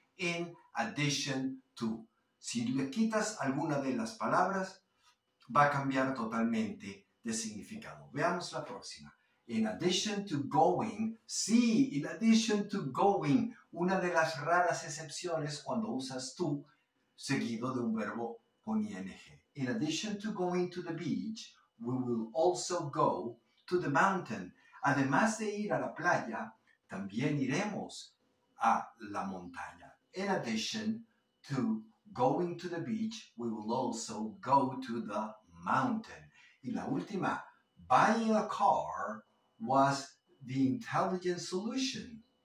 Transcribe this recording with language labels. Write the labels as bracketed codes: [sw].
[en] In addition to. [es] Si le quitas alguna de las palabras, va a cambiar totalmente de significado. Veamos la próxima. [en] In addition to going. [es] Sí, [en] in addition to going. [es] Una de las raras excepciones cuando usas to seguido de un verbo con ing. [en] In addition to going to the beach, we will also go to the mountain. [es] Además de ir a la playa, también iremos a la montaña. [en] In addition to going to the beach, we will also go to the mountain. [es] Y la última, [en] buying a car was the intelligent solution.